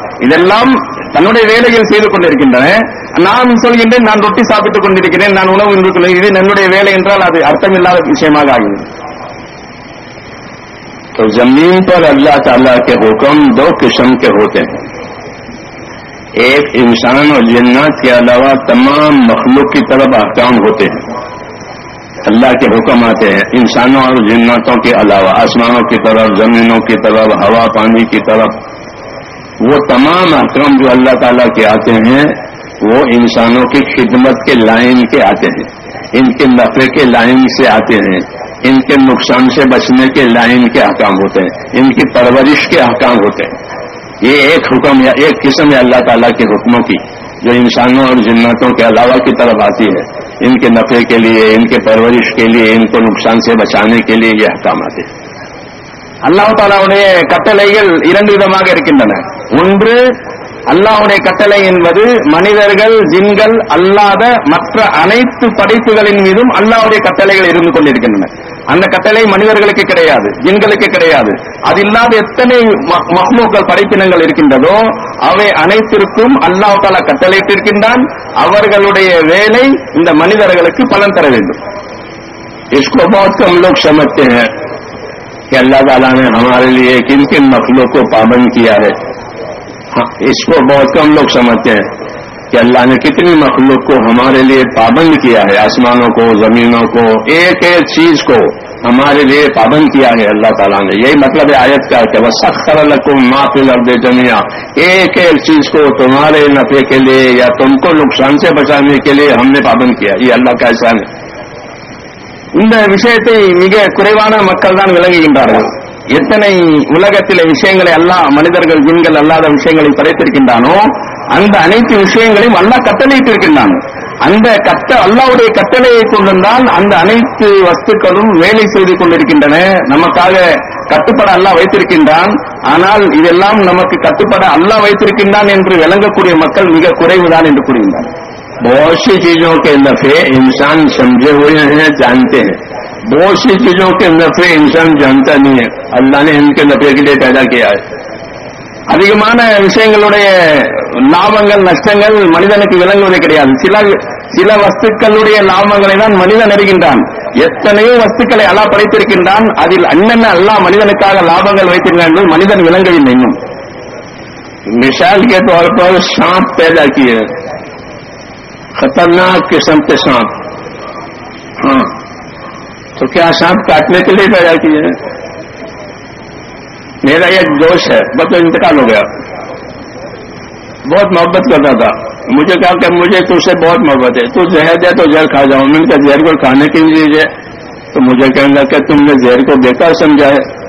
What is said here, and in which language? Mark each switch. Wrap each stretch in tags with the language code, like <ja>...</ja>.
<ta>இதெல்லாம் தன்னுடைய வேலையில் செய்து கொண்டிருக்கின்றன. நான் சொல்கின்றேன், நான் ரொட்டி சாப்பிட்டுக் கொண்டிருக்கிறேன், நான் உணவு இன்று இது என்னுடைய வேலை என்றால் அது அர்த்தமில்லாத விஷயமாக ஆகிறது.</ta> <ur>ஜமீன் பர் அல்லாஹ் தஆலா கே ஹுக்ம் தோ கிஸ்ம் கே ஹோதே ஹே. ایک انسان اور جنات کے علاوہ تمام مخلوق کی طرف احکام ہوتے ہیں. اللہ کے حکم آتے ہیں انسانوں اور جناتوں کے علاوہ, آسمانوں کی طرف, زمینوں کی طرف, ہوا پانی کی طرف. وہ تمام احکام جو اللہ تعالیٰ کے آتے ہیں وہ انسانوں کی خدمت کے لائن کے آتے ہیں, ان کے نفع کے لائن سے آتے ہیں, ان کے نقصان سے بچنے کے لائن کے احکام ہوتے ہیں, ان کی پرورش کے احکام ہوتے ہیں. یہ ایک حکم یا ایک قسم ہے اللہ تعالیٰ کے حکموں کی جو انسانوں اور جناتوں کے علاوہ کی طرف آتی ہے. ان کے نفع کے لیے, ان کے پرورش کے لیے, ان کو نقصان سے بچانے کے لیے یہ حکم آتے ہیں.</ur> <ta>اللہ تعالیٰ கட்டளைகள் இரண்டு விதமாக இருக்கின்றன. ஒன்று, அல்லாஹுடைய கட்டளை என்பது மனிதர்கள் ஜின்கள் அல்லாத மற்ற அனைத்து படைப்புகளின் மீதும் அல்லாஹுடைய கட்டளைகள் இருந்து கொண்டிருக்கின்றன. அந்த கட்டளை மனிதர்களுக்கு கிடையாது, ஜின்களுக்கு கிடையாது. அது இல்லாத எத்தனை மஹ்லூக்கள் படைப்பினங்கள் இருக்கின்றதோ அவை அனைத்திற்கும் அல்லாஹு தஆலா கட்டளையிட்டிருக்கின்றான். அவர்களுடைய வேலை இந்த மனிதர்களுக்கு பலன் தர வேண்டும்.</ta> <ur>کہ اللہ تعالیٰ نے ہمارے لیے کن کن مخلوق کو پابند کیا ہے, اس کو بہت کم لوگ سمجھتے ہیں کہ اللہ نے کتنی مخلوق کو ہمارے لیے پابند کیا ہے, آسمانوں کو, زمینوں کو, ایک ایک چیز کو ہمارے لیے پابند کیا ہے اللہ تعالیٰ نے. یہی مطلب ہے آیت کا کہ</ur> <ar>وَسَخَّرَ لَكُمْ مَا فِي الْأَرْضِ جَمِيعًا,</ar> <ur>ایک ایک چیز کو تمہارے نفع کے لیے یا تم کو نقصان سے بچانے کے لیے ہم نے پابند کیا. یہ اللہ کا احسان ہے.</ur> <ta>இந்த விஷயத்தை மிக குறைவான மக்கள் தான் விளங்குகின்றார்கள். எத்தனை உலகத்தில் விஷயங்களை எல்லாம் மனிதர்கள் ஜீன்கள் அல்லாத விஷயங்களை படைத்திருக்கின்றானோ அந்த அனைத்து விஷயங்களையும் அல்லாஹ் கட்டளையிட்டிருக்கின்றான். அந்த அல்லாஹ்வுடைய கட்டளையை கொண்டிருந்தால் அந்த அனைத்து வஸ்துக்களும் வேலை செய்து கொண்டிருக்கின்றன. நமக்காக கட்டுப்பட அல்லாஹ் வைத்திருக்கின்றான். ஆனால் இதெல்லாம் நமக்கு கட்டுப்பட அல்லாஹ் வைத்திருக்கின்றான் என்று விளங்கக்கூடிய மக்கள் மிக குறைவுதான் என்று கூறுகின்றனர்.</ta> <ur>بہت سی چیزوں کے نفے انسان سمجھے ہوئے ہیں, جانتے ہیں. بہت سی چیزوں کے نفے انسان جانتا نہیں ہے. اللہ نے ان کے نفے کے لیے پیدا کیا ہے.</ur> <ta>அதிகமான விஷயங்களுடைய லாபங்கள் நஷ்டங்கள் மனிதனுக்கு விளங்குவது கிடையாது. சில வஸ்துக்களுடைய லாபங்களை தான் மனிதன் அறிகின்றான். எத்தனையோ வஸ்துக்களை அல்லாஹ் படைத்திருக்கின்றான். அதில் என்னென்ன அல்லாஹ் மனிதனுக்காக லாபங்கள் வைத்திருக்கான் என்பது மனிதன் விளங்கவில்லை. இன்னும்</ta> <ur>மிசால் கே தோர் பர் சாம் பேதா கிய خطرناک قسم کے سانپ. ہاں تو کیا سانپ کاٹنے کے لیے پیدا کیے؟ میرا ایک دوست ہے, بس انتقال ہو گیا. بہت محبت کرتا تھا. مجھے کہا کہ مجھے تو سے بہت محبت ہے, تو زہر دے تو زہر کھا جاؤں. میں نے کہا زہر کو کھانے کی چیز ہے؟ تو مجھے کہنے لگا کہ تم نے زہر کو بیکار سمجھا ہے.</ur>